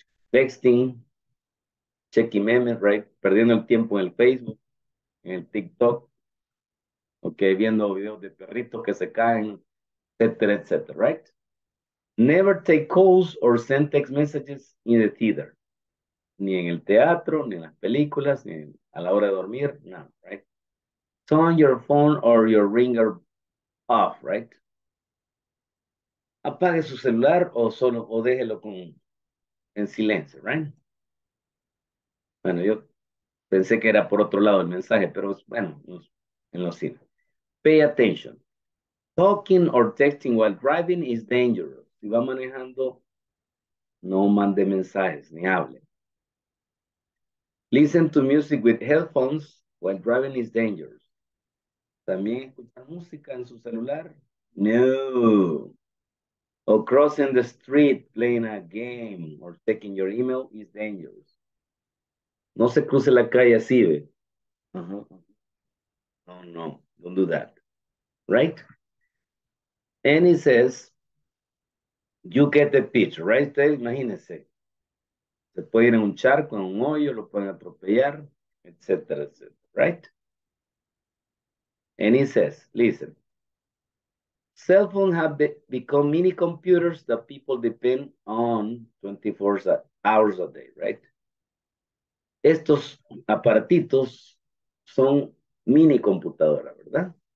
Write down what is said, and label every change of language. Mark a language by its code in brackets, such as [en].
[en] Texting, checking memes, right? [es] Perdiendo el tiempo en el Facebook, en el TikTok, ok, viendo videos de perritos que se caen, etcétera, etcétera, right? [en] Never take calls or send text messages in the theater. [es] Ni en el teatro, ni en las películas, ni a la hora de dormir, no, right? [en] Turn your phone or your ringer off, right? [es] Apague su celular o déjelo en silencio, right? Bueno, yo pensé que era por otro lado el mensaje, pero bueno, en los cines. [en] Pay attention. Talking or texting while driving is dangerous. [es] Si va manejando, no mande mensajes, ni hable. [en] Listen to music with headphones while driving is dangerous. [es] ¿También escucha música en su celular? No. [en] O crossing the street playing a game or checking your email is dangerous. [es] No se cruce la calle así, ¿ve? Uh-huh. No, [en] don't do that. [es] Right? [en] And it says, you get the picture, right? Imagínense. [es] Se puede ir en un charco, en un hoyo, lo pueden atropellar, etcétera, etcétera. [en] Right? And he says, listen. Cell phones have become mini computers that people depend on 24 hours a day, right? [es] Estos aparatitos son mini computadora, ¿verdad?